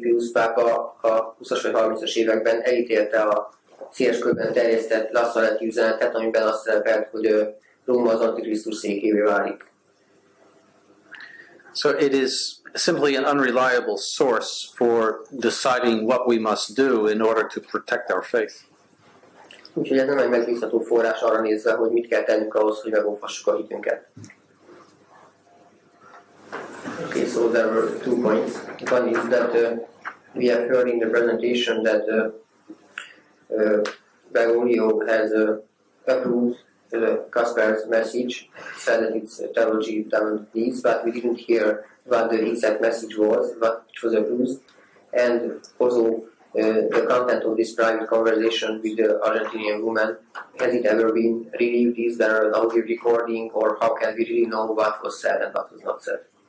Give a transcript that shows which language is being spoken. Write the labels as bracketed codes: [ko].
[hu] Pius pápa a 20-as vagy 30-as években elítélte a széles körben terjesztett La Salette üzenetet, amiben azt szerepelt, hogy Róma az Antikrisztus székévé válik. [en] So it is simply an unreliable source for deciding what we must do in order to protect our faith. [hu] Úgyhogy ez nem egy megbízható forrás arra nézve, hogy mit kell tennünk ahhoz, hogy megóvhassuk a hitünket. [en] Okay, so there were two points. One is that we have heard in the presentation that Bergoglio has approved Kasper's message, said that it's a theology down these, but we didn't hear what the exact message was, but it was approved, and also the content of this private conversation with the Argentinian woman, has it ever been relieved? Is there an audio recording, or how can we really know what was said and what was not said?